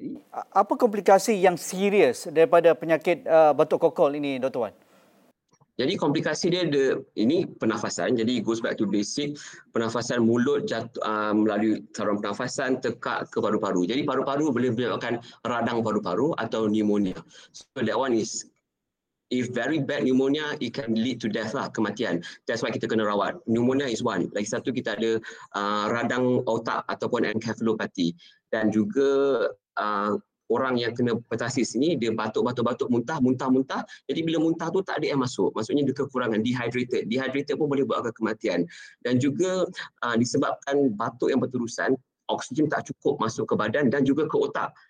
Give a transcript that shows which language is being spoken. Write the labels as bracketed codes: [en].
[ms] Apa komplikasi yang serius daripada penyakit batuk kokol ini, Dr. Wan? Jadi komplikasi dia ini pernafasan. Jadi [en] goes back to basic, [ms] pernafasan mulut jatuh melalui saluran pernafasan tekak ke paru-paru. Jadi paru-paru boleh menyebabkan radang paru-paru atau pneumonia. [en] So that one is if very bad pneumonia, it can lead to death lah, kematian. That's why [ms] kita kena rawat. [en] Pneumonia is one. [ms] Lagi satu kita ada radang otak ataupun encephalopathy dan juga orang yang kena pertasis ni dia batuk-batuk-batuk, muntah-muntah-muntah. Jadi bila muntah tu tak ada air masuk. Maksudnya dia kekurangan, dehydrated. Dehydrated pun boleh buatkan kematian. Dan juga disebabkan batuk yang berterusan, oksigen tak cukup masuk ke badan dan juga ke otak.